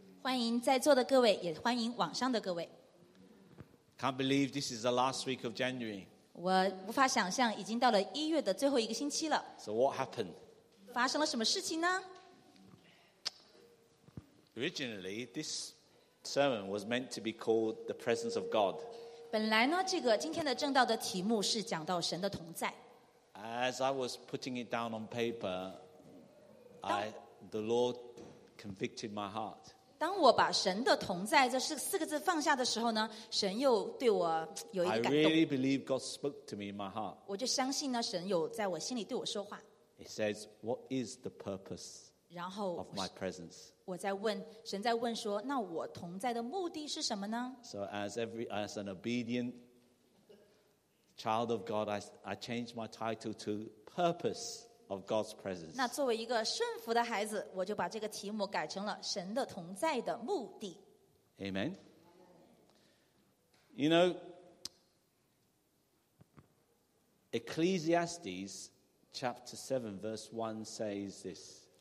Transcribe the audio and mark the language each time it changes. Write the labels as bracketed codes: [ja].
[zh] 欢迎在座的各位，也欢迎网上的各位。 [en] Can't believe this is the last week of January. [zh] 我无法想象已经到了一月的最后一个星期了。 [en] So what happened? [zh] 发生了什么事情呢？ [en] Originally, this sermon was meant to be called The Presence of God. [zh] 本来呢，这个今天的正道的题目是讲到神的同在。 [en] As I was putting it down on paper, the Lord convicted my heart. [zh] 当我把神的同在这四个字放下的时候呢，神又对我有一个感动。 [en] I really believe God spoke to me in my heart. [zh] 我就相信呢，神有在我心里对我说话。 [en] He says, "What is the purpose?" [zh] 然后 [en] of my presence. [zh] 我在问神，在问说，那我同在的目的是什么呢？ [en] So as an obedient child of God, I changed my title to Purpose of God's Presence. [zh] 那作为一个顺服的孩子，我就把这个题目改成了神的同在的目的。 [en] Amen. You know, Ecclesiastes chapter 7 verse 1 says this.